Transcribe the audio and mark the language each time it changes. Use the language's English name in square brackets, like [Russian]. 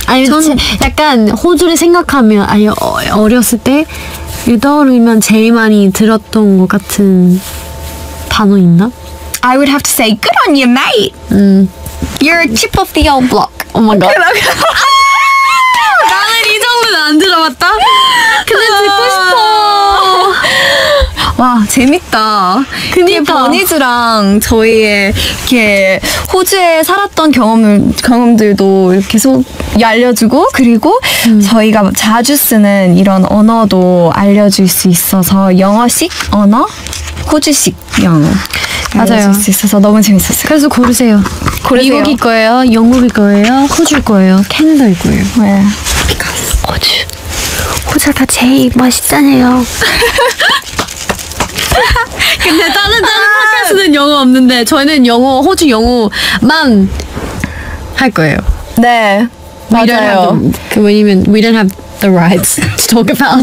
[Korean] 아니, 약간 호주를 생각하면 아예 어렸을 때 떠오르면 제일 많이 들었던 것 같은 단어 있나? [English] I would have to say, good on you, mate. You're a chip of the old block. Oh my god. [Korean] 나는 이 정도는 안 들어봤다? 근데 듣고 싶어. 와, 재밌다. 그니까. 버니즈랑 저희의 이렇게 호주에 살았던 경험들도 계속 알려주고, 그리고 저희가 자주 쓰는 이런 언어도 알려줄 수 있어서, 영어식 언어, 호주식 영어. 맞아요. 수 있어서 너무 재밌었어요. 그래서 고르세요. 미국일 거예요, 영국일 거예요, 호주일 거예요, 캐나다일 거예요. 왜? Because 호주. 호주가 제일 멋있잖아요. 근데 다른 팟캐스트는 영어 없는데 저희는 영어, 호주 영어만 할 거예요. 네. 맞아요. [English] 왜냐면 we don't have the rights to talk about